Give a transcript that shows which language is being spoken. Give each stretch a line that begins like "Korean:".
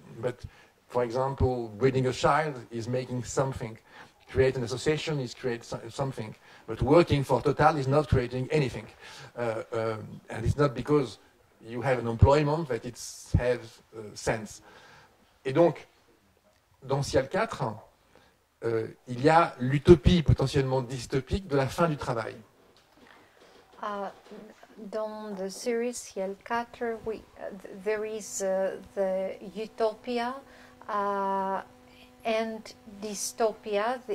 English: But for example, breeding a child is making something. Create an association is create something. But working for Total is not creating anything. And it's not because you have an employment that it has sense.
French: Et donc, dans Ciel 4, il y a l'utopie potentiellement dystopique de la fin du travail.
English: Dans the series Ciel 4, there is the utopia and dystopia.